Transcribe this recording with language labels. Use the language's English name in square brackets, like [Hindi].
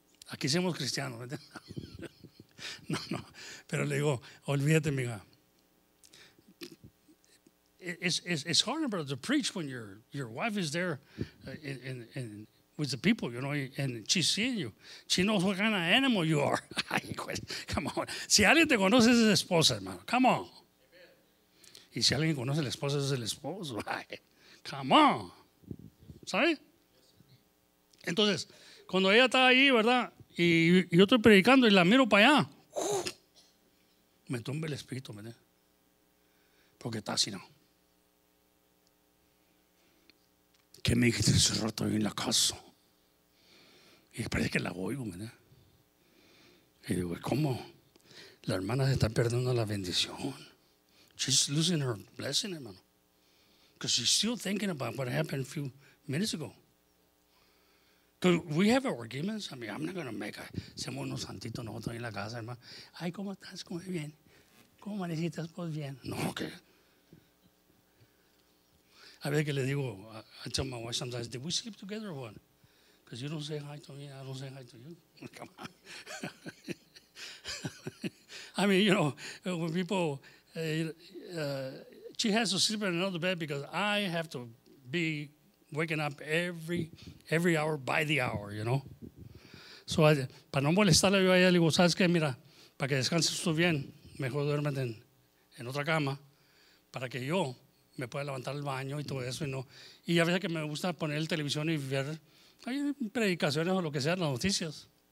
[Spanish] Aquí somos cristianos. No. Pero le digo, olvídate, mija. [English] It's hard, brother, to preach when your wife is there in with the people, you know, and she's seeing you. She knows what kind of animal you are. Come on. [Spanish] Si alguien te conoce, es la esposa, hermano. [English] Come on. [Spanish] Y si alguien conoce la esposa, es el esposo. Come on. ¿Sabe? Entonces, cuando ella está ahí, ¿verdad? Y yo estoy predicando y la miro para allá. Me tumba el espíritu, ¿verdad? Porque está así, ¿no? Que me dijiste ese rato ahí en la casa. Y parece que la oigo, ¿verdad? Y digo, ¿cómo? La hermana se está perdiendo la bendición. [English] She's losing her blessing, hermano. Because she's still thinking about what happened a few minutes ago. Because we have arguments. I mean, I'm not going to make a... [Spanish] Hacemos unos santitos nosotros en la casa, hermano. Ay, ¿cómo estás? ¿Cómo es bien? ¿Cómo manejitas? Pues bien. No, ¿qué? A veces que le digo, [English] I tell my wife sometimes, did we sleep together or what? Because you don't say hi to me, I don't say hi to you. Come on. I mean, you know, when people, she has to sleep in another bed because I have to be waking up every hour by the hour, you know. [Spanish] So, para no molestarle yo a ella, le digo, ¿sabes qué? Mira, para que descanses tú bien, mejor duérmete en otra cama para que yo me pueda levantar el baño y todo eso. Y, no. Y a veces que me gusta poner el televisión y ver... Hay predicaciones o lo que sea, las noticias.